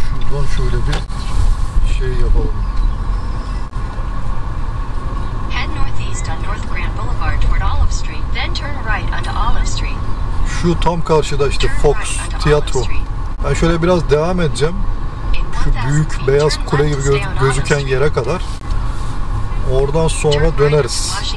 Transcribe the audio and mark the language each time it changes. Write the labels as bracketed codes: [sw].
[tr] Şuradan şöyle bir şey yapalım. [en] Head northeast on North Grand Boulevard toward Olive Street, then turn right onto Olive Street. [tr] Şu tam karşıda işte Fox Tiyatro. Ben şöyle biraz devam edeceğim. Şu büyük beyaz kule gibi gözüken yere kadar. Oradan sonra döneriz.